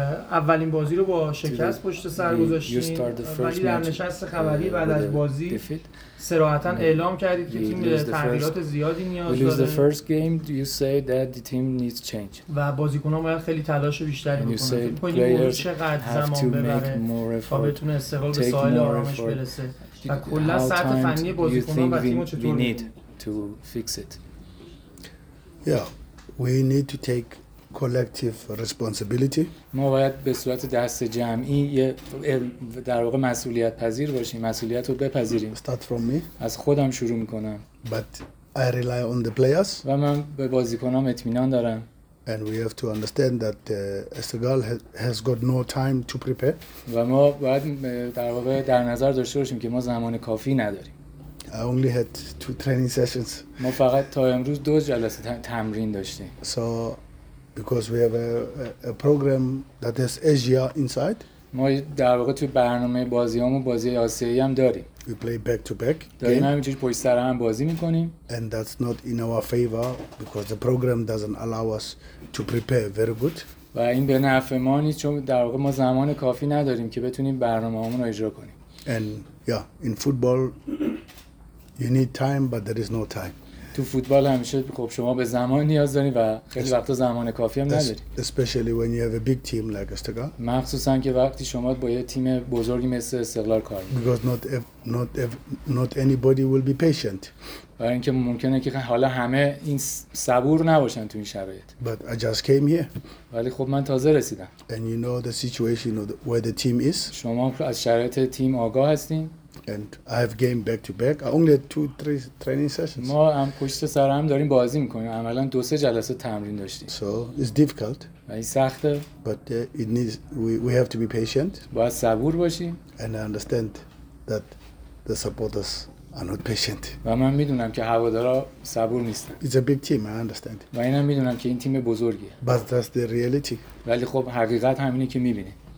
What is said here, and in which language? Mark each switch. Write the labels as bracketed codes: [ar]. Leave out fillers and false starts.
[fa] اولین بازی رو با شکست پشت سر گذاشتین، ولی در نشست خبری بعد از بازی صراحتاً اعلام کردید که تیم به تغییرات زیادی نیاز داره. [en] Lose the first game, you say that the team needs change. [fa] و بازیکن‌ها باید خیلی تلاش بیشتری بکنن. فکر می‌کنید چقدر زمان ببره تا بتونه استقلال به ساحل آرامش برسه؟ و کلاً سطح فنی بازیکن‌ها و تیم چطوره؟ [en] We need to fix it. Yeah, we need to take collective responsibility. [fa] ما باید به صورت دست جمعی در واقع مسئولیت پذیر باشیم، مسئولیت رو بپذیریم. [en] Start from me. [fa] از خودم شروع میکنم. [en] But I rely on the players. [fa] و من به بازیکنام اطمینان دارم. [en] And we have to understand that Estegal has got no time to prepare. [fa] و ما باید در واقع در نظر داشته باشیم که ما زمان کافی نداریم. [en] I only had two training sessions. [fa] ما فقط تا امروز دو جلسه تمرین داشتیم. [en] So because we have a program that has Asia inside. [fa] ما در واقع تو برنامه بازیامون بازی آسیایی هم داریم. [en] We play back to back. [fa] داریم همینجوری پشت سر هم بازی میکنیم. [en] And that's not in our favor because the program doesn't allow us to prepare very good. [fa] و این به نفع ما نیست چون در واقع ما زمان کافی نداریم که بتونیم برنامه‌مون رو اجرا کنیم. [en] And yeah, in football you need time but there is no time. [fa] تو فوتبال همیشه خب شما به زمان نیاز داری و خیلی وقتا زمان کافی هم نداری. [en] Especially when you have a big team like Estegal. [fa] مخصوصا که وقتی شما با یه تیم بزرگی مثل استقلال کار می‌کنید. [en] Because not anybody will be patient. [fa] برای اینکه ممکنه که حالا همه این صبور نباشن تو این شرایط. [en] But I just came here. [fa] ولی خب من تازه رسیدم. [en] And you know the situation of where the team is. [fa] شما از شرایط تیم آگاه هستین. [en] And I have game back to back. I only had two, three training sessions. [fa] ما هم پشت سر هم داریم بازی میکنیم. عملا دو سه جلسه تمرین داشتیم. [en] So it's difficult. [fa] و این سخته. [en] But it needs. We have to be patient. [fa] باید صبور باشیم. [en] And I understand that the supporters are not patient. [fa] و من میدونم که هوادارا صبور نیستن. [en] It's a big team. I understand. [fa] و اینم میدونم که این تیم بزرگیه. [en] But that's the reality. [fa] ولی خب حقیقت همینه که میبینیم.